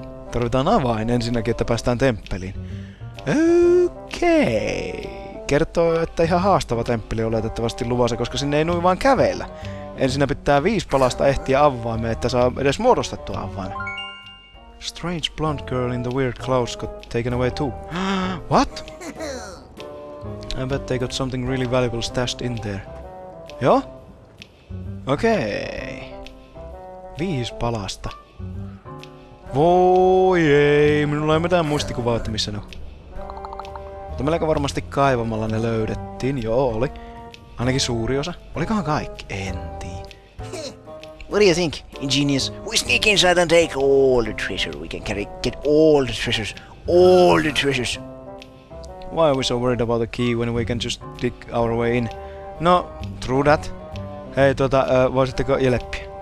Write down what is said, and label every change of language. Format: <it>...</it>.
<fi>Tarvitaan avain ensinnäkin, että päästään temppeliin. Okay. Kertoo, että ihan haastava temppeli oletettavasti luvassa, koska sinne ei noin vaan kävellä. Ensin pitää 5 palasta ehtiä avaimeen, että saa edes muodostettua avaimen.</fi> <en>Strange blonde girl in the weird clouds got taken away too. What? I bet they got something really valuable stashed in there.</en> <fi>Joo? Okei. Okay. 5 palasta. Voi ei, minulla ei mitään muistikuvaa, että missä ne on. Mutta melko varmasti kaivamalla ne löydettiin. Joo, oli. Ainakin suuri osa. Olikohan kaikki? En tiedä.</fi> <en>What do you think, ingenious? We sneak inside and take all the treasure we can carry. Get all the treasures. All the treasures. Why are we so worried about the key when we can just dig our way in? No, true that.</en> <fi>Hei, voisitteko jeleppiä?</fi>